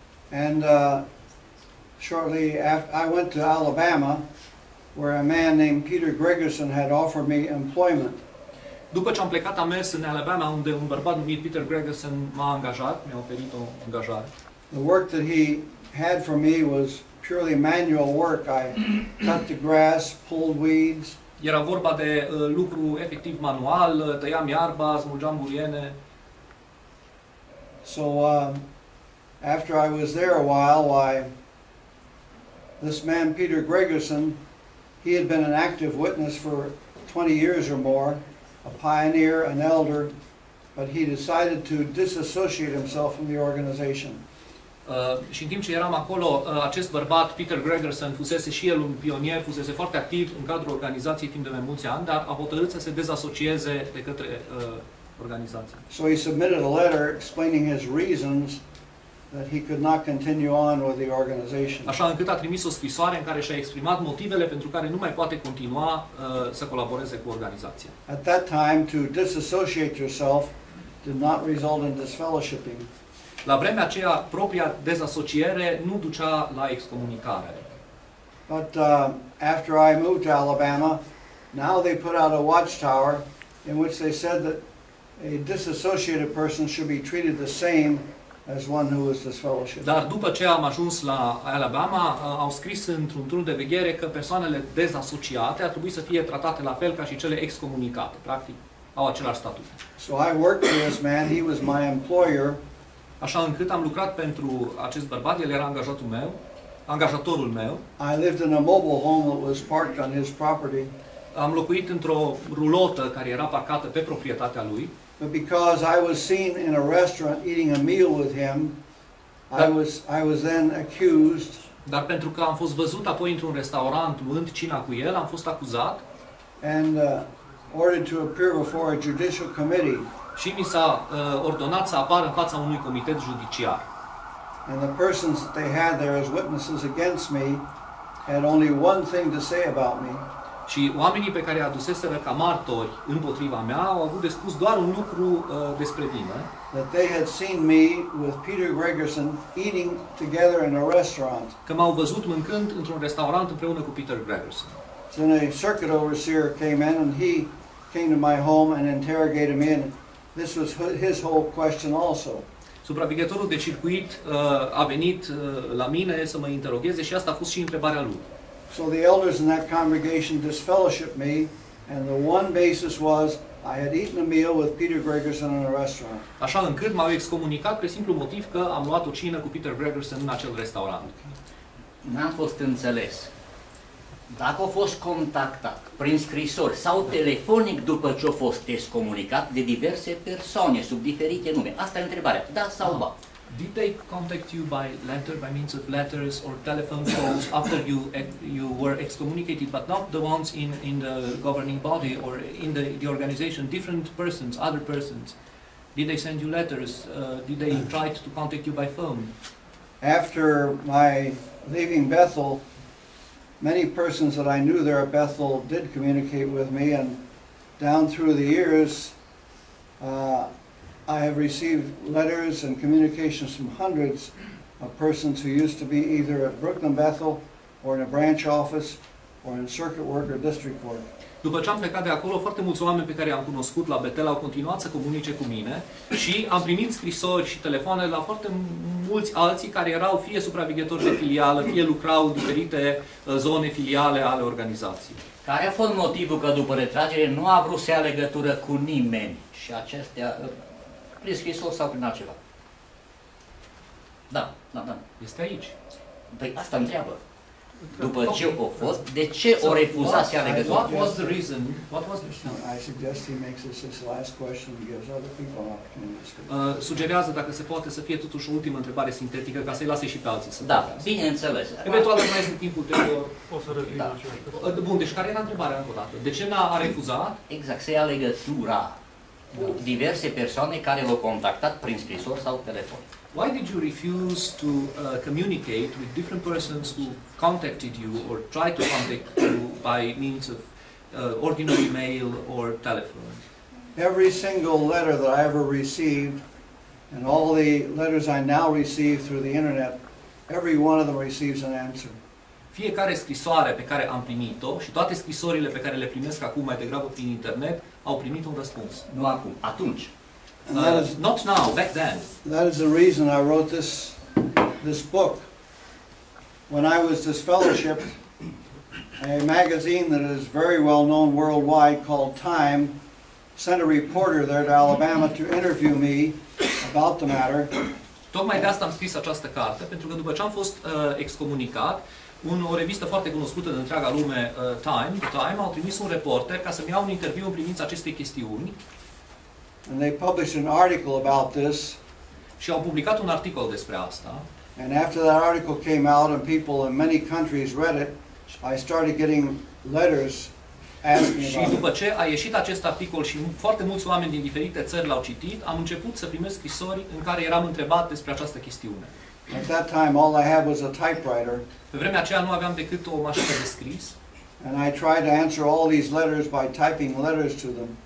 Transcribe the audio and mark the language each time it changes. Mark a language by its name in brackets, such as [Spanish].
[English] And shortly after, I went to Alabama, where a man named Peter Gregerson had offered me employment. [Romanian] După ce am plecat, am mers în Alabama, unde un bărbat numit Peter Gregerson m-a angajat, mi-a oferit o angajare. [English] The work that he had for me was purely manual work. I cut the grass, pulled weeds. [Romanian] Era vorba de lucru efectiv manual, tăiam iarba, smulgeam buriene. [English] So after I was there a while, this man Peter Gregerson, he had been an active witness for 20 years or more, a pioneer, an elder, but he decided to disassociate himself from the organization. [Romanian] Și în timp ce eram acolo, acest bărbat Peter Gregerson fusese și el un pionier, fusese foarte activ în cadrul organizației timp de mai mulți ani, dar a hotărât să se dezasocieze de către organizație. [English] So he submitted a letter explaining his reasons that he could not continue on with the organization. [Romanian] Așa încât a trimis o scrisoare în care și-a exprimat motivele pentru care nu mai poate continua să colaboreze cu organizația. [English] At that time, to disassociate yourself did not result in disfellowshipping. [Romanian] La vremea aceea, propria dezasociere nu ducea la excomunicare. [English] But after I moved to Alabama, now they put out a watchtower in which they said that a disassociated person should be treated the same as one who is disfellowshipped. [Romanian] Dar după ce am ajuns la Alabama, au scris într-un turn de veghere că persoanele dezasociate ar trebui să fie tratate la fel ca și cele excomunicate, practic au același statut. [English] So I worked for this man, he was my employer. [Romanian] Așa încât am lucrat pentru acest bărbat, el era angajatul meu, angajatorul meu. [English] I lived in a mobile home that was parked on his property. [Romanian] am locuit într-o rulotă care era parcată pe proprietatea lui. [English] But because I was seen in a restaurant eating a meal with him, I was then accused. [Romanian] Dar pentru că am fost văzut apoi într-un restaurant luând cina cu el, am fost acuzat. [English] And ordered to appear before a judicial committee. [Romanian] Și mi s-a ordonat să apar în fața unui comitet judiciar. [English] And the persons that they had there as witnesses against me had only one thing to say about me. [Romanian] Și oamenii pe care i-a aduseseră ca martori împotriva mea au avut de spus doar un lucru despre mine. [English] That they had seen me with Peter Gregersen eating together in a restaurant. [Romanian] Că m-au văzut mâncând într-un restaurant împreună cu Peter Gregersen. [English] Then a circuit overseer came in and he came to my home and interrogated me, and this was his whole question also. [Romanian] Supraveghetorul de circuit a venit la mine să mă interogheze și asta a fost și întrebarea lui. [English] So the elders in that congregation disfellowshipped me, and the one basis was I had eaten a meal with Peter Gregersen in a restaurant. [Romanian] Așa încât m-au excomunicat pe simplu motiv că am luat o cină cu Peter Gregersen în acel restaurant. N-am fost înțeles. Dacă a fost contactat prin scrisori sau telefonic după ce a fost excomunicat de diverse persoane sub diferite nume. Asta e întrebarea. Da sau ba? [English] Did they contact you by letter, by means of letters or telephone calls after you were excommunicated, but not the ones in the governing body or in the organization, different persons, other persons? Did they send you letters? Did they try to contact you by phone? After my leaving Bethel, many persons that I knew there at Bethel did communicate with me, and down through the years, I have received letters and communications from hundreds of persons who used to be either at Brooklyn Bethel or in a branch office or in circuit work or district work. [Romanian] După ce am plecat de acolo, foarte mulți oameni pe care i-am cunoscut la Bethel au continuat să comunice cu mine și am primit scrisori și telefoane la foarte mulți alții care erau fie supraveghetori de filială, fie lucrau în diferite zone filiale ale organizației. Care a fost motivul că după retragere nu a vrut să ia legătură cu nimeni și acestea... Prin scrisul sau prin altceva. Da. Este aici. Păi asta întreabă. După ce a fost, de ce o refuzat să ia legătura? [English] What was the reason? I suggest he makes this his last question and gives other people an opportunity. [Romanian] Sugerează, dacă se poate, să fie totuși o ultimă întrebare sintetică, ca să-i lase și pe alții să... Da, bineînțeles. Eventual, mai este timpul de... O să revin. Bun, deci care era întrebarea încă o dată? De ce n-a refuzat? Exact, să ia legătura. Diverse persoane care l-au contactat prin scrisor sau telefon. [English] Why did you refuse to communicate with different persons who contacted you or tried to contact you by means of ordinary mail or telephone? Every single letter that I ever received, and all the letters I now receive through the internet, every one of them receives an answer. [Romanian] Fiecare scrisoare pe care am primit-o și toate scrisorile pe care le primesc acum mai degrabă prin internet au primit un răspuns. Nu acum, atunci. [English] Not now, back then. That is the reason I wrote this book. When I was disfellowshipped, a magazine that is very well known worldwide called Time sent a reporter there to Alabama to interview me about the matter. [Romanian] Tocmai de asta am scris această carte, pentru că după ce am fost excomunicat, o revistă foarte cunoscută de întreaga lume, Time, au trimis un reporter ca să-mi ia un interviu în privința acestei chestiuni. [English] And they published an article about this. [Romanian] Și au publicat un articol despre asta. [English] And after that article came out and people in many countries read it, I started getting letters asking about it. [Romanian] Și după ce a ieșit acest articol și foarte mulți oameni din diferite țări l-au citit, am început să primesc scrisori în care eram întrebat despre această chestiune. [English] At that time all I had was a typewriter. [Romanian] Pe vremea aceea nu aveam decât o mașină de scris. [English] And I tried to answer all these letters by typing letters to them.